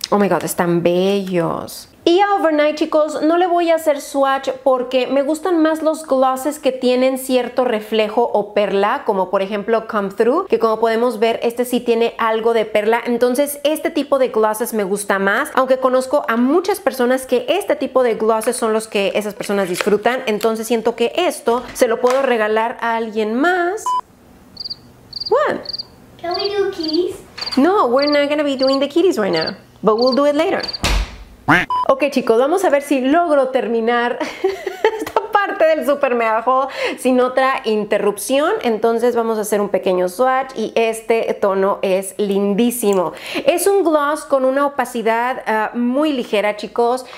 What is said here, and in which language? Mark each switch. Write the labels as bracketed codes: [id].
[en] Oh my God, [es] están bellos. Y a Overnight, chicos, no le voy a hacer swatch porque me gustan más los glosses que tienen cierto reflejo o perla, como por ejemplo Come Through, que como podemos ver, este sí tiene algo de perla. Entonces, este tipo de glosses me gusta más, aunque conozco a muchas personas que este tipo de glosses son los que esas personas disfrutan. Entonces, siento que esto se lo puedo regalar a alguien más. [en] What? Can we do kitties? No, we're not gonna be doing the kitties right now, but we'll do it later. [es] Ok, chicos, vamos a ver si logro terminar esta parte del super mega haul sin otra interrupción. Entonces vamos a hacer un pequeño swatch y este tono es lindísimo. Es un gloss con una opacidad muy ligera, chicos.